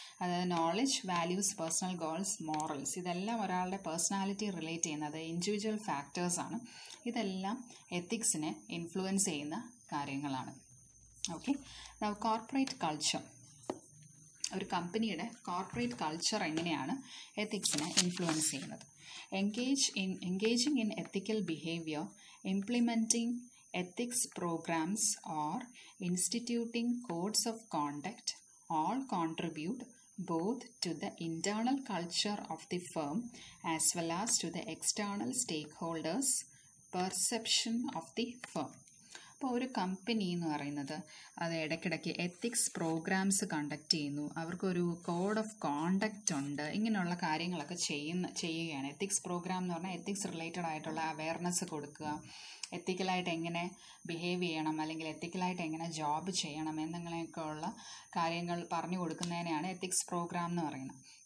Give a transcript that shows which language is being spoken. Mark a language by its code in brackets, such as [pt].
[ml] അതായത് knowledge, values, personal goals, morals, ഇതെല്ലാം ഒരാളുടെ പേഴ്സണാലിറ്റി റിലേറ്റ് ചെയ്യുന്ന, അതായത് ഇൻഡിവിജ്വൽ ഫാക്ടേഴ്സാണ്, ഇതെല്ലാം എത്തിക്സിനെ ഇൻഫ്ലുവൻസ് ചെയ്യുന്ന കാര്യങ്ങളാണ്. ഓക്കെ, നമ്മൾ കോർപ്പറേറ്റ് കൾച്ചർ. ഒരു കമ്പനിയുടെ കോർപ്പറേറ്റ് കൾച്ചർ എങ്ങനെയാണ് എത്തിക്സിനെ ഇൻഫ്ലുവൻസ് ചെയ്യുന്നത്? [en] Engaging in ethical behaviour, implementing ethics programs or instituting codes of conduct all contribute both to the internal culture of the firm as well as to the external stakeholders' perception of the firm. [ml] അപ്പോൾ ഒരു company എന്ന് പറയുന്നത് അത് ഇടയ്ക്കിടയ്ക്ക് ethics programmes conduct ചെയ്യുന്നു, അവർക്കൊരു code of conduct ഉണ്ട്, ഇങ്ങനെയുള്ള കാര്യങ്ങളൊക്കെ ചെയ്യുകയാണ്. എത്തിക്സ് പ്രോഗ്രാം എന്ന് പറഞ്ഞാൽ എത്തിക്സ് റിലേറ്റഡ് ആയിട്ടുള്ള അവയർനെസ് കൊടുക്കുക, എത്തിക്കലായിട്ട് എങ്ങനെ ബിഹേവ് ചെയ്യണം അല്ലെങ്കിൽ എത്തിക്കലായിട്ട് എങ്ങനെ ജോബ് ചെയ്യണം എന്നിങ്ങനെയൊക്കെയുള്ള കാര്യങ്ങൾ പറഞ്ഞു കൊടുക്കുന്നതിനെയാണ് എത്തിക്സ് പ്രോഗ്രാം എന്ന് പറയുന്നത്.